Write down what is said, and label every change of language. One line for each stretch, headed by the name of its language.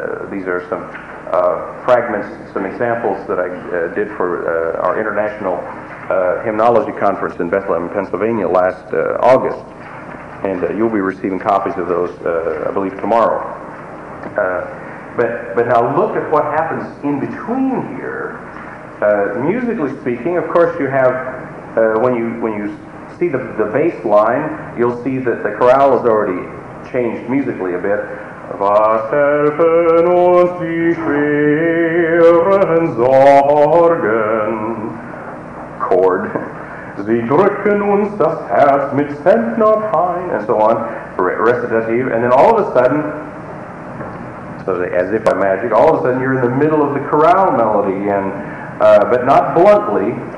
English: These are some fragments, some examples that I did for our international hymnology conference in Bethlehem, Pennsylvania last August, and you'll be receiving copies of those, I believe, tomorrow. But now look at what happens in between here. Musically speaking, of course, you have when you see the bass line, you'll see that the chorale has already changed musically a bit.
German: Was helfen uns die schweren Sorgen? Chord. Sie drücken uns das Herz mit Zentner Pein.
English: And so on. Recitative. And then all of a sudden, so as if by magic, all of a sudden you're in the middle of the chorale melody again, but not bluntly.